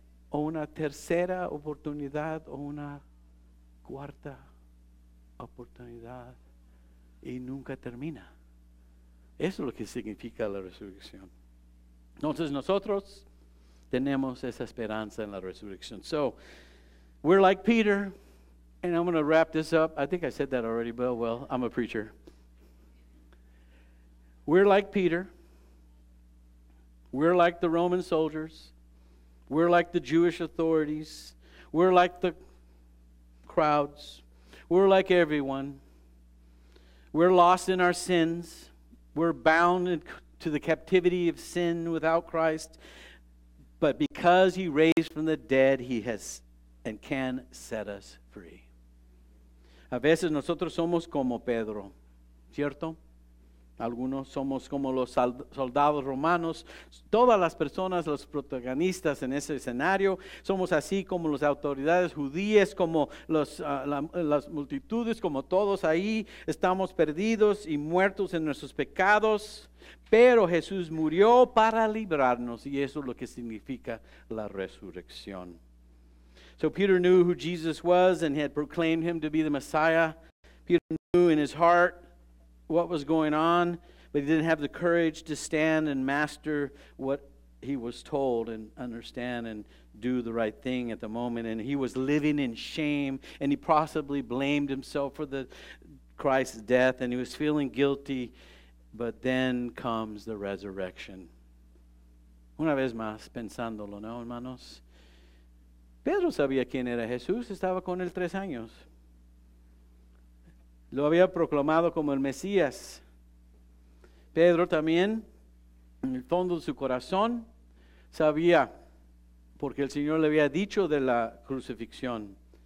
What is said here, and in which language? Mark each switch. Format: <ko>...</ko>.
<es>O una tercera oportunidad, o una cuarta oportunidad, y nunca termina. Eso es lo que significa la resurrección. Entonces nosotros tenemos esa esperanza en la resurrección.</es> <en>So, we're like Peter, and I'm going to wrap this up. I think I said that already, but well, I'm a preacher. We're like Peter. We're like the Roman soldiers. We're like the Jewish authorities. We're like the crowds. We're like everyone. We're lost in our sins. We're bound to the captivity of sin without Christ. But because He raised from the dead, He has and can set us free.</en> <es>A veces nosotros somos como Pedro, ¿cierto? Algunos somos como los soldados romanos. Todas las personas, los protagonistas en ese escenario, somos así como las autoridades judías, como las multitudes, como todos ahí. Estamos perdidos y muertos en nuestros pecados, pero Jesús murió para librarnos, y eso es lo que significa la resurrección.</es> <en>So Peter knew who Jesus was and had proclaimed him to be the Messiah. Peter knew in his heart what was going on, but he didn't have the courage to stand and master what he was told and understand and do the right thing at the moment. And he was living in shame, and he possibly blamed himself for the Christ's death, and he was feeling guilty. But then comes the resurrection.</en> <es>Una vez más pensándolo, ¿no, hermanos? Pedro sabía quién era Jesús, estaba con él 3 años. Lo había proclamado como el Mesías. Pedro también, en el fondo de su corazón, sabía, porque el Señor le había dicho de la crucifixión.</es>